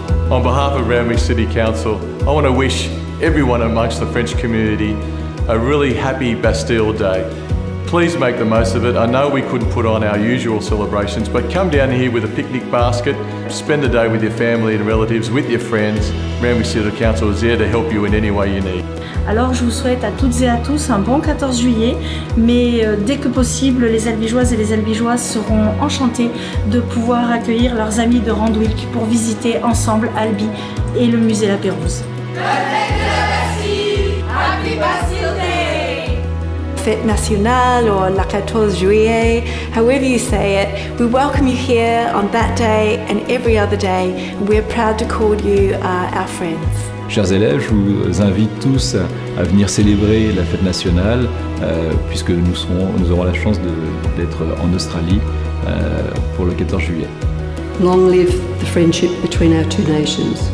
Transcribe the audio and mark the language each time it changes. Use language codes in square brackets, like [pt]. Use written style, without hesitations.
[en] On behalf of Randwick City Council, I want to wish everyone amongst the French community a really happy Bastille Day. Please make the most of it. I know we couldn't put on our usual celebrations, but come down here with a picnic basket, spend the day with your family and relatives, with your friends. Randwick City Council is here to help you in any way you need. [fr] Alors je vous souhaite à toutes et à tous un bon 14 juillet, mais dès que possible, les Albigeoises et les Albigeois seront enchantés de pouvoir accueillir leurs amis de Randwick pour visiter ensemble Albi et le musée La Perouse. [en] Fête nationale or la 14 juillet, however you say it, we welcome you here on that day and every other day. We're proud to call you our friends. [fr] Chers élèves, je vous invite tous à venir célébrer la fête nationale puisque nous aurons la chance d'être en Australie pour le 14 juillet. [en] Long live the friendship between our two nations.